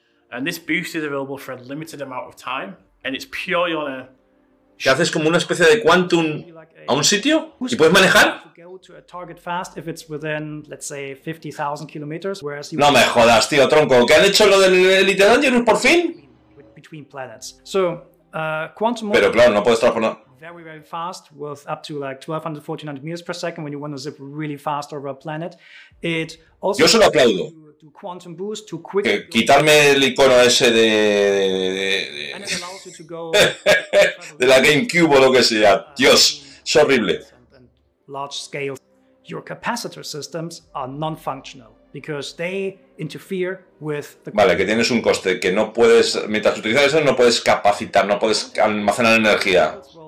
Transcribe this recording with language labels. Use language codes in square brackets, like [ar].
[en] And this boost is available for a limited amount of time, and it's purely on a. [es] ¿Qué haces como una especie de quantum a un sitio y puedes manejar? No me jodas, tío, tronco. ¿Qué han hecho lo del Elite Dangerous por fin? Pero claro, no puedes transponer. [en] Very, very fast, with up to like 1,200, 1,400 meters per second when you want to zip really fast over a planet. It also [es] yo solo aplaudo. [en] To quantum boost, to quick [es] quitarme el icono ese de... de la GameCube o lo que sea. Dios, es horrible. [en] Large scale. Your capacitor systems are non-functional because they interfere with the... [es] Vale, que tienes un coste, que no puedes... Mientras utilizas eso, no puedes capacitar, no puedes almacenar energía.